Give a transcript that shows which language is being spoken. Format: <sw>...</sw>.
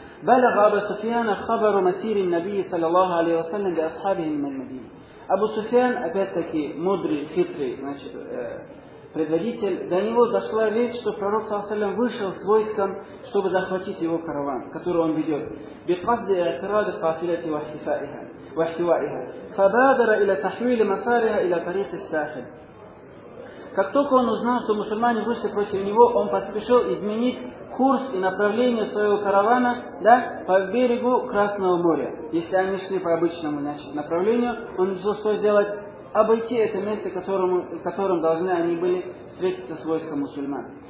<ar>بلغ أبو سفيان خبر مسير النبي صلى الله عليه وسلم لأصحابه من المدينة.</ar> <ru>أبو سفيان опять-таки мудрый, хитрый, значит, предводитель. До него дошла речь, что пророк</ru> <ar>صلى الله عليه وسلم</ar> <ru>вышел с войском, чтобы захватить его караван, который он ведет.</ru> <ar>بقصد اعتراض قافلة واحتوائها. فبادر إلى تحويل مسارها إلى طريق الساحل.</ar> <ru>Как только он узнал, что мусульмане вышли против него, он поспешил изменить курс и направление своего каравана, да, по берегу Красного моря. Если они шли по обычному, значит, направлению, он решил что сделать? Обойти это место, которым должны они были встретиться с войском мусульман.</ru>